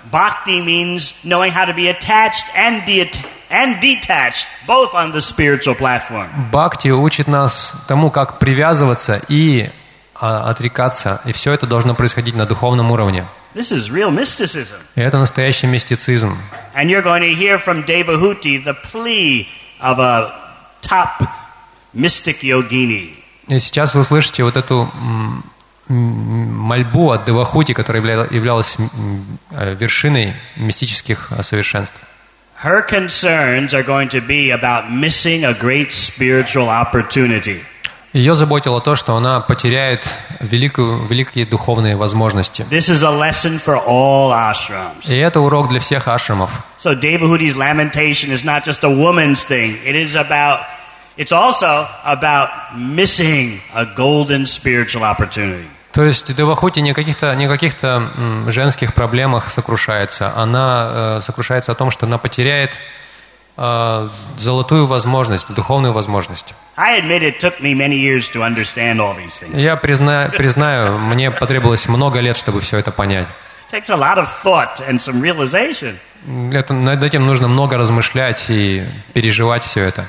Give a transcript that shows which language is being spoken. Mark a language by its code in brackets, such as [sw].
[en] Bhakti means knowing how to be attached and detached, both on the spiritual platform. [ru] Бхакти учит нас тому, как привязываться и отрекаться, и все это должно происходить на духовном уровне. [en] This is real mysticism. [ru] И это настоящий мистицизм. [en] And you're going to hear from Devahuti the plea of a top mystic yogini. [ru] И сейчас вы услышите вот эту мольбу от Девахути, которая являлась вершиной мистических совершенств. [en] Her concerns are going to be about missing a great spiritual opportunity. [ru] Ее заботило то, что она потеряет великие духовные возможности. [en] This is a lesson for all ashrams. [ru] И это урок для всех ашрамов. [en] So Devahuti's lamentation is not just a woman's thing. It is about It's also about missing a golden spiritual opportunity. [ru] То есть Девахути не о каких-то женских проблемах сокрушается. Она сокрушается о том, что она потеряет золотую возможность, духовную возможность. [en] I admit it took me many years to understand all these things. [ru] Я признаю, мне потребовалось много лет, чтобы все это понять. [en] It takes a lot of thought and some realization. [ru] Над этим нужно много размышлять и переживать все это.